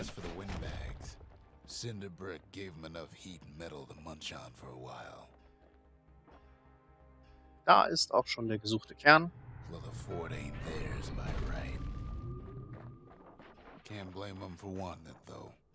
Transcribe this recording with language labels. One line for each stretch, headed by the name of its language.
English: As for the windbags, Cinderbrick gave him enough heat and metal to munch on for a while.
German: Da ist auch schon der gesuchte Kern.
English: Well, the fort ain't theirs by right. Can't blame them for wanting it, though.